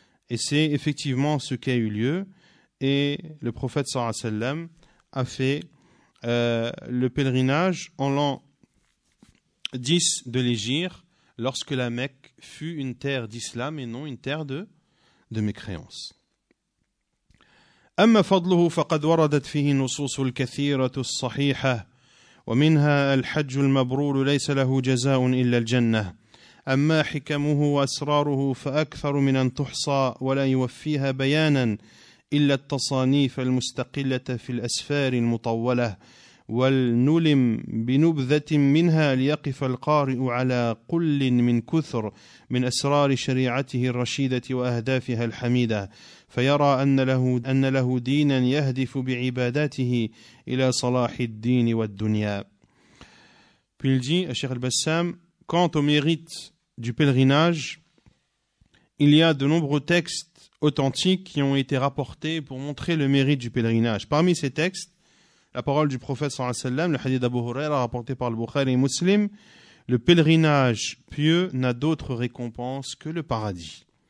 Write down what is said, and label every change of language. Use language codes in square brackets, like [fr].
[fr] Et c'est effectivement ce qui a eu lieu. Et le prophète sallallahu alayhi wa sallam a fait le pèlerinage en l'an 10 de l'Hijra, lorsque la Mecque fut une terre d'islam et non une terre de mécréance. [ar] أما فضله فقد وردت فيه النصوص الكثيرة الصحيحة، ومنها الحج المبرور ليس له جزاء إلا الجنة. أما حكمه وأسراره فأكثر من أن تحصى، ولا يوفيها بيانا إلا التصانيف المستقلة في الأسفار المطولة، ولنلم بنبذة منها ليقف القارئ على قل من كثر من أسرار شريعته الرشيدة وأهدافها الحميدة، فيرى أن له دينا يهدف بعباداته إلى صلاح الدين والدنيا. [fr] Puis il dit à Cheikh Al-Bassam, quant au mérite du pèlerinage, il y a de nombreux textes authentiques qui ont été rapportés pour montrer le mérite du pèlerinage. Parmi ces textes, la parole du prophète sallallahu alayhi wa sallam, le hadith d'Abu Huraira rapporté par le Bukhari et Muslim, le pèlerinage pieux n'a d'autre récompense que le paradis.